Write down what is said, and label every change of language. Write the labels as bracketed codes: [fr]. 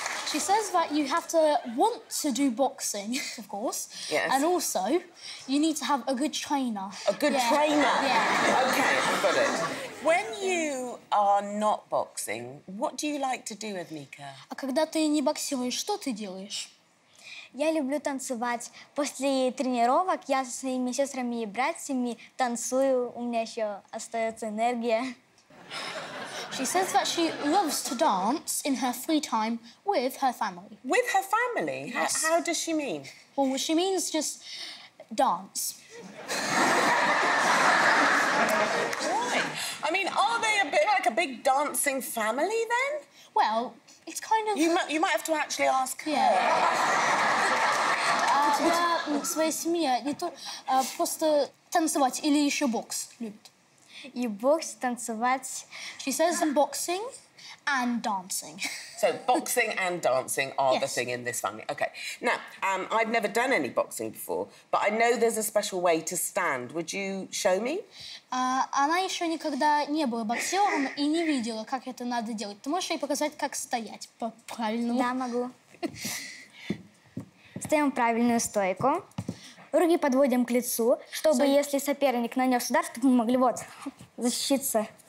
[en] She says that you have to want to do boxing, of course. Yes. And also, you need to have a good trainer. A good trainer? Yeah. OK, got it. When you are not boxing, what do you like to do, Evnika? [ru] А когда ты не боксируешь, что ты делаешь? Я люблю танцевать. После тренировок я со своими сестрами и братьями танцую. У меня еще остается энергия. [en] She says that she loves to dance in her free time with her family. With her family? Yes. How does she mean? Well, she means just dance. Right. I mean, are they a bit like a big dancing family then? Well, it's kind of... You might have to actually ask her. Yeah. [ru] Своя семья не то просто танцевать или еще бокс любит. И бокс, танцевать. [en] She says boxing and dancing. So boxing and dancing are yes. the thing in this family. Okay. Now, I've never done any boxing before, but I know there's a special way to stand. Would you show me? [ru] Она еще никогда не была боксером и не видела, как это надо делать. Ты можешь ей показать, как стоять по правильному? Да, могу. Стоим в правильную стойку. Руки подводим к лицу, чтобы, so, если соперник нанес удар, чтобы мы могли вот защититься.